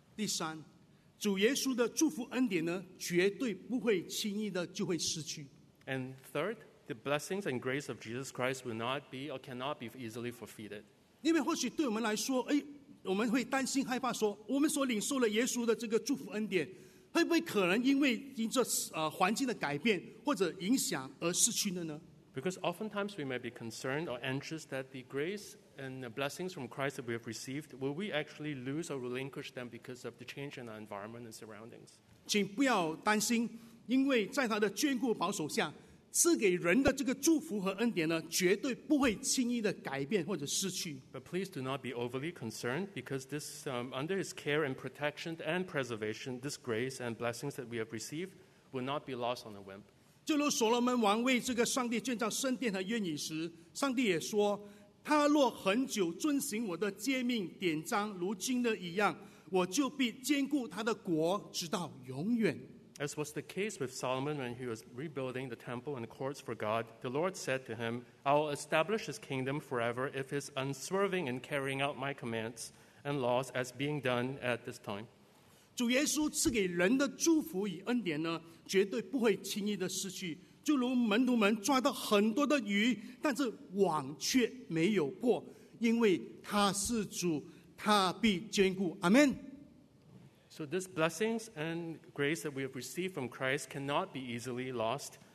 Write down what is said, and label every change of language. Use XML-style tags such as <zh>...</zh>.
<zh>第三，主耶稣的祝福恩典呢，绝对不会轻易的就会失去。</zh> <en>And third, the blessings and grace of Jesus Christ will not be or cannot be easily forfeited.</en> <zh>因为或许对我们来说，哎，我们会担心害怕说，我们所领受了耶稣的这个祝福恩典。会不会可能因为因这环境的改变或者影响而失去的呢</zh> <en>？Because oftentimes we may be concerned or anxious that the grace and the blessings from Christ that we have received will we actually lose or relinquish them because of the change in our environment and surroundings？</en> <zh>请不要担心，因为在他的眷顾保守下，赐给人的这个祝福和恩典呢，绝对不会轻易的改变或者失去。</zh> <en>But please do not be overly concerned, because this, under His care and protection and preservation, this grace and blessings that we have received will not be lost on a whim.</en> <zh>就如所罗门王为这个上帝建造圣殿和院宇时，上帝也说：“他若恒久遵行我的诫命典章，如今的一样，我就必坚固他的国，直到永远。”</zh> <en>As was the case with Solomon when he was rebuilding the temple and the courts for God, the Lord said to him, I will establish his kingdom forever if he is unswerving in carrying out my commands and laws as being done at this time.</en> <zh>主耶稣赐给人的祝福与恩典呢，绝对不会轻易的失去。就如门徒们抓到很多的鱼，但是网却没有破，因为他是主，他必坚固。</zh> <en>Amen. So these blessings and grace that we have received from Christ cannot be easily lost.</en>